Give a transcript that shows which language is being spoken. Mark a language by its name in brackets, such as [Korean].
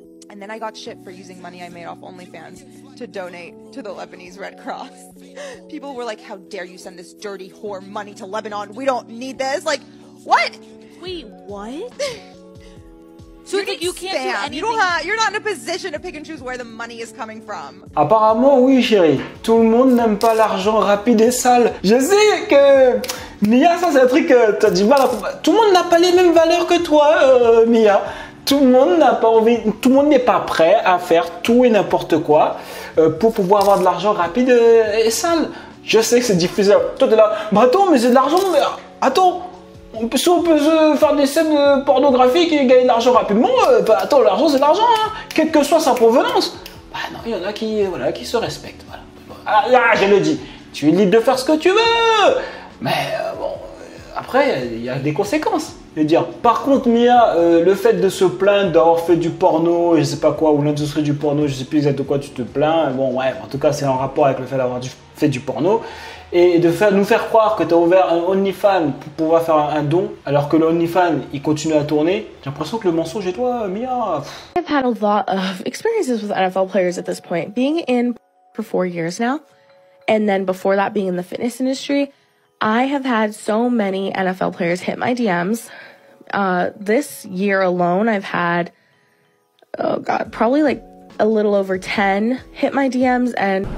[English] And then I got shit for using money I made off OnlyFans to donate to the Lebanese Red Cross. People were like, how dare you send this dirty whore money to Lebanon? We don't need this. Like, what? Wait, what? So you can't spam. Do anything. You don't have, you're not in a position to pick and choose where the money is coming from. [French] Apparemment, oui, chérie. Tout le monde n'aime pas l'argent rapide et sale. Je sais que Mia, ça c'est un truc que t'as du mal à comprendre. Tout le monde n'a pas les mêmes valeurs que toi, Mia. Tout le monde n'a pas envie, tout le monde n'est pas prêt à faire tout et n'importe quoi pour pouvoir avoir de l'argent rapide et sale. Je sais que c'est difficile. Toi, t'es là. Bah attends, mais c'est de l'argent, mais attends. Si on peut faire des scènes pornographiques et gagner de l'argent rapidement, bah attends, l'argent c'est l'argent, hein, quelle que soit sa provenance. Bah non, il y en a qui, voilà, qui se respectent. Voilà. Ah là, je le dis, tu es libre de faire ce que tu veux. Mais bon, après, il y a des conséquences. Je veux dire. Par contre, Mia, le fait de se plaindre d'avoir fait du porno, je sais pas quoi, ou l'industrie du porno, je sais plus exactement de quoi tu te plains. Bon, ouais, en tout cas, c'est en rapport avec le fait d'avoir fait du porno. Et de nous faire croire que tu as ouvert un OnlyFans pour pouvoir faire un don, alors que l'OnlyFans, il continue à tourner. J'ai l'impression que le mensonge est toi, Mia. [English] I've had a lot of experiences with NFL players at this point. Being in for 4 years now, and then before that being in the fitness industry, I have had so many NFL players hit my DMs. This year alone, I've had, oh God, probably like a little over 10 hit my DMs. And